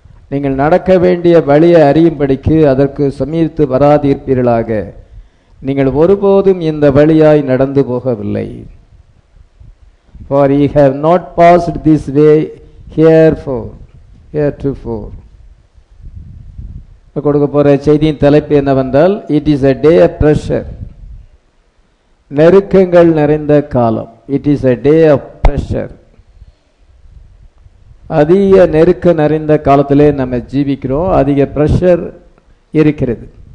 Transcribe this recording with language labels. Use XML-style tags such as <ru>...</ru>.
<ta>நீங்கள் நடக்க வேண்டிய வழியை அறியும்படிக்கு அதற்கு சமீபித்து வராதிருப்பீர்களாக. நீங்கள் ஒருபோதும் இந்த வழியாய் நடந்து போகவில்லை.</ta> <en>For he have not passed this way heretofore.</en> <ta>கொடுக்க போற செய்தியின் தலைப்பு என்னவென்றால்,</ta> <en>It is a day of pressure.</en> <ta>நெருக்கங்கள் நிறைந்த காலம்.</ta> <en>It is a day of pressure.</en> <ta>அதிக நெருக்க நிறைந்த காலத்திலே நம்ம ஜீவிக்கிறோம். அதிக ப்ரெஷர் இருக்கிறது.</ta>